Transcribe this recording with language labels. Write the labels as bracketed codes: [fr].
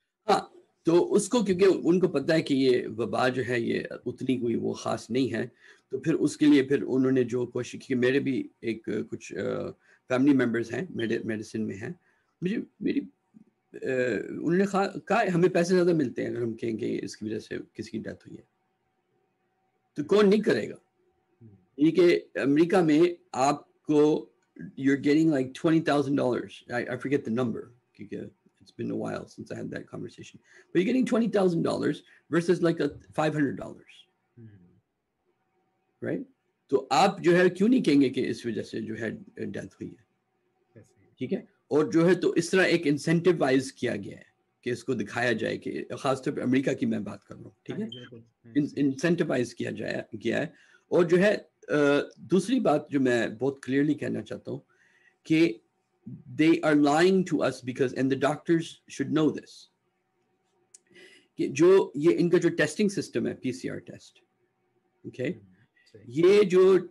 [ur] ہاں تو اس کو, کیونکہ ان کو پتہ ہے کہ یہ وبا جو ہے یہ اتنی کوئی وہ خاص نہیں ہے, تو پھر اس کے لیے پھر انہوں نے جو کوشش کی, میرے بھی ایک کچھ فیملی ممبرس ہیں میڈیسن میں ہیں, میری انہوں نے کہا ہمیں پیسے زیادہ ملتے ہیں اگر ہم کہیں گے اس کی وجہ سے کسی کی ڈیتھ ہوئی ہے, تو کون نہیں کرے گا. یہ کہ امریکہ میں آپ کو [en] you're getting like $20,000, I forget the number, it's been a while since I had that conversation, but you're getting $20,000 versus like a $500, right. [ur] تو آپ جو ہے کیوں نہیں کہیں گے کہ اس وجہ سے جو ہے ڈیتھ ہوئی ہے, ٹھیک ہے, اور جو ہے تو اس طرح ایک انسینٹیوائز کیا گیا ہے کہ اس کو دکھایا جائے, کہ خاص طور پہ امریکہ کی میں بات کر رہا ہوں, ٹھیک ہے, انسینٹیوائز کیا جایا گیا ہے. اور جو ہے دوسری بات جو میں بہت کلیئرلی کہنا چاہتا ہوں کہ [en] they are lying to us because, and the doctors should know this, [ur] کہ جو یہ ان کا جو ٹیسٹنگ سسٹم ہے پی سی آر ٹیسٹ, اوکے, یہ جو